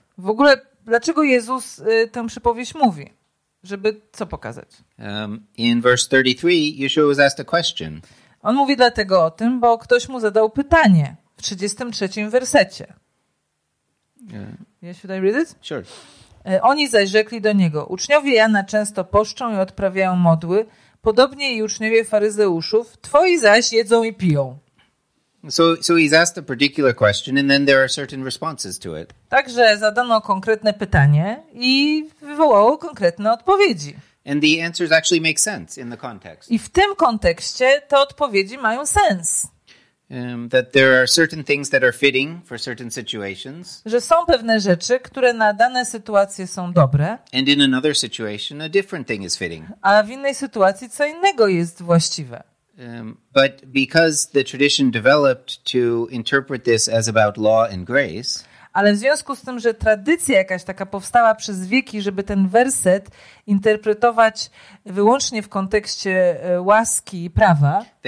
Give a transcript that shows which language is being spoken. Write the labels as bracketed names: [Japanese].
[Polish] W ogóle, dlaczego Jezus tę przypowieść mówi? Żeby co pokazać? [English] In verse 33, Yeshua was asked a question. [Polish] On mówi dlatego o tym, bo ktoś mu zadał pytanie w 33 wersecie. [English] Yeah. Should I read it? Sure. [Polish] Oni zaś rzekli do niego: uczniowie Jana często poszczą i odprawiają modły, podobnie i uczniowie faryzeuszów, twoi zaś jedzą i piją. [English] So he's asked a particular question and then there are certain responses to it. [Polish] Także zadano konkretne pytanie i wywołało konkretne odpowiedzi. [English] And the answers actually make sense in the context. [Polish] I w tym kontekście te odpowiedzi mają sens. [English] That there are certain things that are fitting for certain situations. [Polish] Że są pewne rzeczy, które na dane sytuacje są dobre. [English] And in another situation a different thing is fitting. [Polish] A w innej sytuacji co innego jest właściwe. [English] But because the tradition developed to interpret this as about law and grace. [Polish] Ale w związku z tym, że tradycja jakaś taka powstała przez wieki, żeby ten werset interpretować wyłącznie w kontekście łaski i prawa,